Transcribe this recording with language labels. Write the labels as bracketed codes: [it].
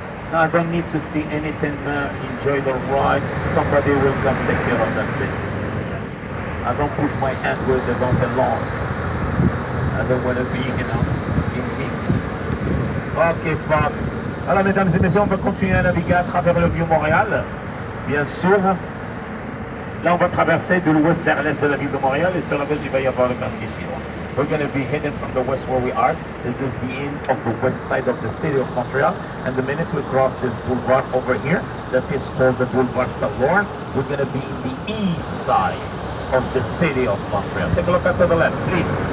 [en] No, I don't need to see anything, enjoy the ride. Somebody will come take care of that business. I don't put my hand where they don't belong. I don't want to be, you know, in me. Okay, Fox. [fr] Alors, mesdames et messieurs, on va continuer à naviguer à travers le Vieux-Montréal. Bien sûr. Là, on va traverser de l'ouest vers l'est de la ville de Montréal. Et sur la ville, il va y avoir le quartier chinois. [en] We're going to be hidden from the west where we are. This is the end of the west side of the city of Montreal. And the minute we cross this boulevard over here, that is called the Boulevard Saint-Laurent, we're going to be in the east side of the city of Montreal. Take a look out to the left, please.